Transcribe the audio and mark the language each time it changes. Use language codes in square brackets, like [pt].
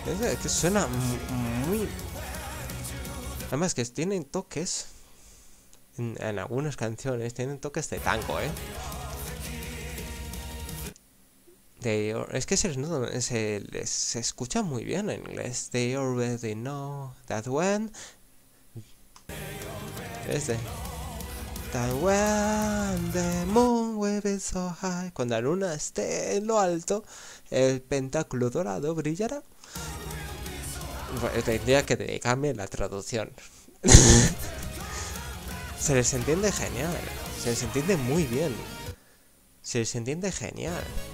[es] Es que suena muy... Además, que tienen toques. En algunas canciones tienen toques de tango, ¿eh? Es que se escucha muy bien en inglés. [en] They already know that when the moon will be so high. [es] Cuando la luna esté en lo alto, el pentáculo dorado brillará. Pues tendría que dedicarme la traducción. Se les entiende genial, se les entiende muy bien, se les entiende genial.